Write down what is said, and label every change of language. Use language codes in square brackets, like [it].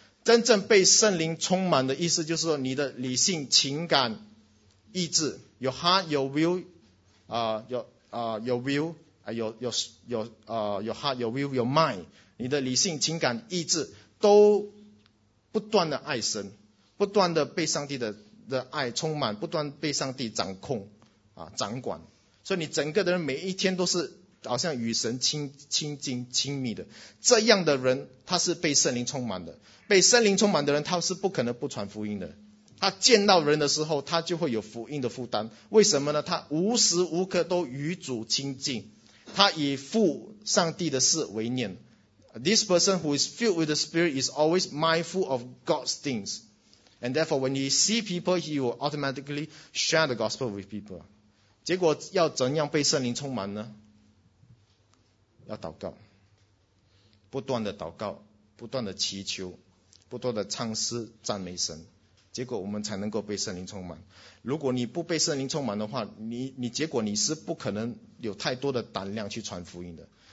[zh] 真正被圣灵充满的意思就是说，你的理性、情感、意志，有 heart， 有 will， 有 heart， 有 will， 有 mind， 你的理性、情感、意志都不断的爱神，不断的被上帝的爱充满，不断被上帝掌控掌管，所以你整个的人每一天都是好像与神亲近亲密的，这样的人他是被圣灵充满的。被圣灵充满的人，他是不可能不传福音的。他见到人的时候，他就会有福音的负担。为什么呢？他无时无刻都与主亲近，他以父上帝的事为念。 [en] This person who is filled with the Spirit is always mindful of God's things, and therefore when he see people, he will automatically share the gospel with people. [zh] 结果要怎样被圣灵充满呢？要祷告，不断的祷告，不断的祈求，不断的唱诗赞美神，结果我们才能够被圣灵充满。如果你不被圣灵充满的话，你结果你是不可能有太多的胆量去传福音的。